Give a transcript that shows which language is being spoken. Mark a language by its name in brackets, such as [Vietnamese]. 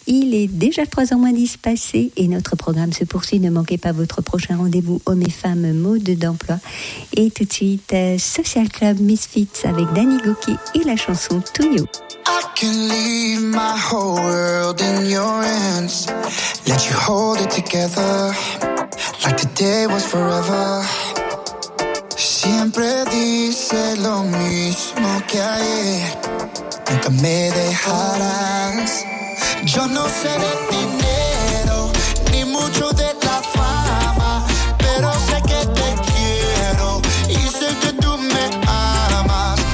[French] Il est déjà 3h10 passé et notre programme se poursuit. Ne manquez pas votre prochain rendez-vous Hommes et Femmes, Mode d'emploi. Et tout de suite, Social Club Misfits avec Danny Gauquet et la chanson To You. [English] I can leave my whole world in your hands. Let you hold it together like the day was forever. [Spanish] Siempre dice lo mismo que ayer. Nunca me dejarás. Yo no seré dinero, ni mucho de la fama, pero sé que te quiero y sé que tú me amas.